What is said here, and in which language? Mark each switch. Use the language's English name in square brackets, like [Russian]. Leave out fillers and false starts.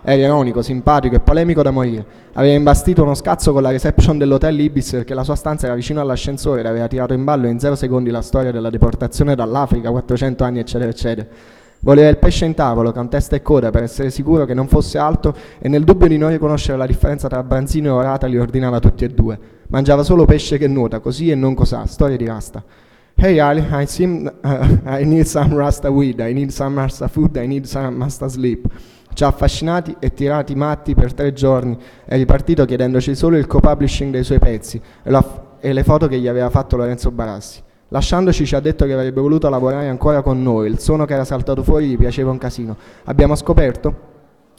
[Italian] Era ironico, simpatico e polemico da morire. Aveva imbastito uno scazzo con la reception dell'hotel Ibis perché la sua stanza era vicino all'ascensore ed aveva tirato in ballo in 0 secondi la storia della deportazione dall'Africa, 400 anni eccetera eccetera. Voleva il pesce in tavolo, con testa e coda, per essere sicuro che non fosse altro e nel dubbio di non riconoscere la differenza tra branzino e orata li ordinava tutti e due. Mangiava solo pesce che nuota, così e non cosà, storia di Rasta. [English] Hey Ali, I need some Rasta weed, I need some Rasta food, I need some Rasta sleep. [Italian] Ci ha affascinati e tirati matti per 3 giorni, è ripartito chiedendoci solo il co-publishing dei suoi pezzi e le foto che gli aveva fatto Lorenzo Barassi. Lasciandoci ci ha detto che avrebbe voluto lavorare ancora con noi, il suono che era saltato fuori gli piaceva un casino. Abbiamo scoperto